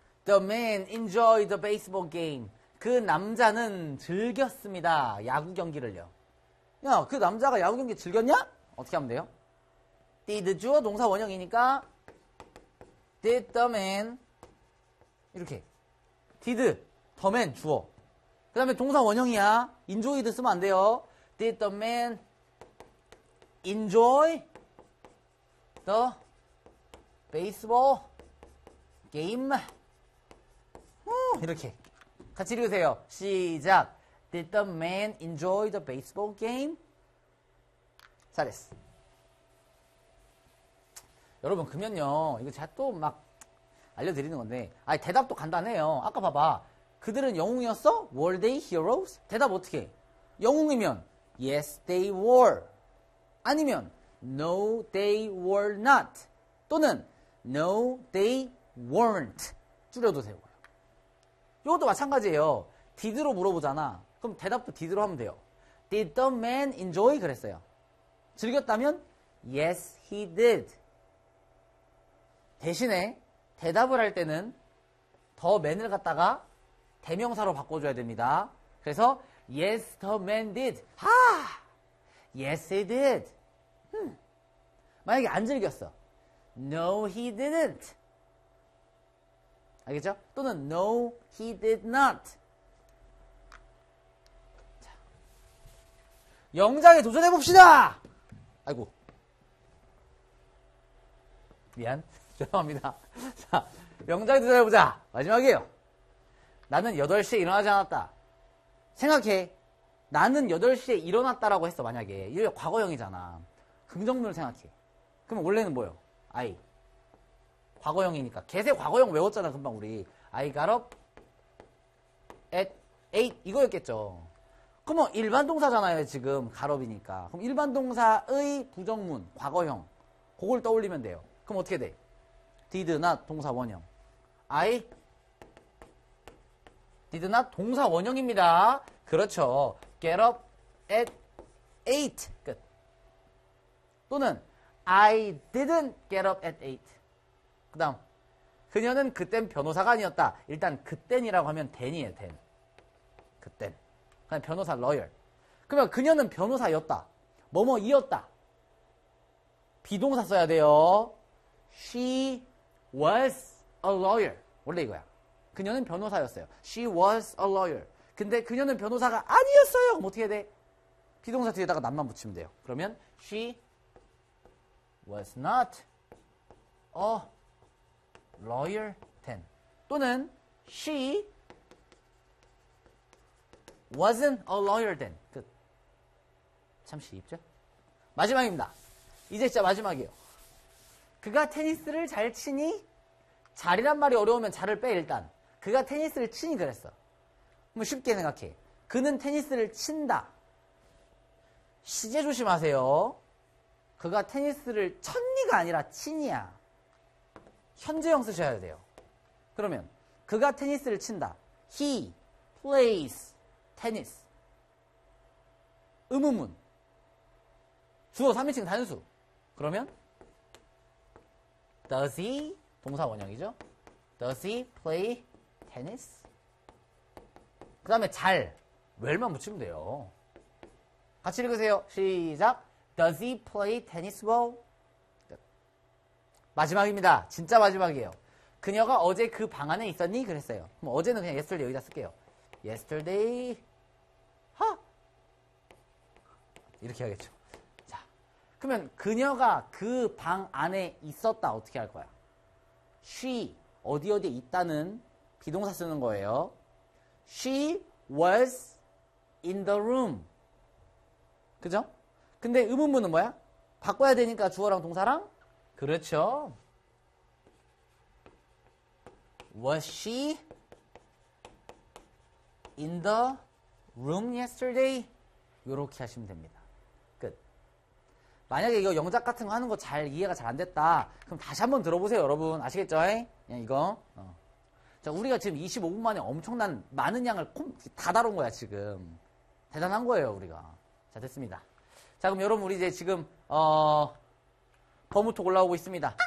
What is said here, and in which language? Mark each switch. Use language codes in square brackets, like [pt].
[en] The man enjoyed the baseball game. [ko] 그 남자는 즐겼습니다. 야구 경기를요. 야, 그 남자가 야구 경기 즐겼냐? 어떻게 하면 돼요? [en] Did [ko] 주어 동사 원형이니까 [en] Did the man [ko] 이렇게 [en] Did the man [ko] 주어 그 다음에 동사 원형이야. Enjoyed 쓰면 안 돼요. [en] Did the man enjoy the baseball game? [ko] 이렇게 같이 읽으세요. 시작. [en] Did the man enjoy the baseball game? [ko] 잘했어. 여러분, 그러면요, 이거 제가 또 막 알려드리는 건데, 아니 대답도 간단해요. 아까 봐봐. 그들은 영웅이었어? [en] Were they heroes? [ko] 대답 어떻게? 영웅이면 [en] yes they were. [ko] 아니면 [en] no they were not. [ko] 또는 [en] no they weren't. [ko] 줄여도 되고. 이것도 마찬가지예요. Did로 물어보잖아. 그럼 대답도 Did로 하면 돼요. [en] Did the man enjoy? [ko] 그랬어요. 즐겼다면? [en] Yes, he did. [ko] 대신에 대답을 할 때는 [en] the man [ko] 을 갖다가 대명사로 바꿔줘야 됩니다. 그래서 [en] Yes, the man did. [ko] 하! [en] Yes, he did. [ko] 만약에 안 즐겼어. [en] No, he didn't. 알겠죠? [ko] 또는 [en] no, he did not. [ko] 자, 영장에 도전해 봅시다. 아이고, 미안, 죄송합니다. 자, 영장에 도전해 보자. 마지막이에요. 나는 8시에 일어나지 않았다. 생각해. 나는 8시에 일어났다라고 했어. 만약에 이게 과거형이잖아. 긍정문을 생각해. 그럼 원래는 뭐예요? [en] I. [ko] 과거형이니까. 개새 과거형 외웠잖아, 금방 우리. [en] I got up at 8. [ko] 이거였겠죠. 그러면 일반 동사잖아요, 지금. [en] got up [ko] 이니까. 그럼 일반 동사의 부정문, 과거형. 그걸 떠올리면 돼요. 그럼 어떻게 돼? [en] did not [ko] 동사 원형. [en] I did not [ko] 동사 원형입니다. 그렇죠. [en] get up at 8. [ko] 끝. 또는 [en] I didn't get up at 8. [ko] 그 다음, 그녀는 그땐 변호사가 아니었다. 일단 그땐이라고 하면 댄이에요, 댄. 그땐. 그냥 변호사, 러열. 그러면 그녀는 변호사였다. 뭐뭐이었다. 비동사 써야 돼요. [en] She was a lawyer. [ko] 원래 이거야. 그녀는 변호사였어요. [en] She was a lawyer. [ko] 근데 그녀는 변호사가 아니었어요. 그럼 어떻게 해야 돼? 비동사 뒤에다가 [en] not [ko] 만 붙이면 돼요. 그러면 [en] She was not a lawyer then [ko] 또는 [en] she wasn't a lawyer then [ko] 끝. 참 쉽죠? 마지막입니다. 이제 진짜 마지막이에요. 그가 테니스를 잘 치니? 잘이란 말이 어려우면 잘을 빼 일단. 그가 테니스를 치니 그랬어. 그럼 쉽게 생각해. 그는 테니스를 친다. 시제 조심하세요. 그가 테니스를 쳤니가 아니라 치니야. 현재형 쓰셔야 돼요. 그러면 그가 테니스를 친다. [en] He plays tennis. [ko] 의문문. 주어 3인칭 단수. 그러면 [en] Does he? [ko] 동사 원형이죠. [en] Does he play tennis? [ko] 그 다음에 잘. Well만 붙이면 돼요. 같이 읽으세요. 시작. [en] Does he play tennis well? [ko] 끝. 마지막입니다. 진짜 마지막이에요. 그녀가 어제 그 방 안에 있었니? 그랬어요. 그럼 어제는 그냥 [en] yesterday [ko] 여기다 쓸게요. [en] Yesterday. 하! [ko] 이렇게 해야겠죠. 자, 그러면 그녀가 그 방 안에 있었다. 어떻게 할 거야? [en] She [ko] 어디 어디 있다는 비동사 쓰는 거예요. [en] She was in the room. [ko] 그죠? 근데 의문문은 뭐야? 바꿔야 되니까 주어랑 동사랑? 그렇죠. [en] Was she in the room yesterday? [ko] 이렇게 하시면 됩니다. 끝. 만약에 이거 영작 같은 거 하는 거 잘 이해가 잘 안 됐다. 그럼 다시 한번 들어보세요, 여러분. 아시겠죠? 그냥 이거. 자, 우리가 지금 25분 만에 엄청난 많은 양을 다 다룬 거야, 지금. 대단한 거예요, 우리가. 자, 됐습니다. 자, 그럼 여러분, 우리 이제 지금, 버무톡 올라오고 있습니다.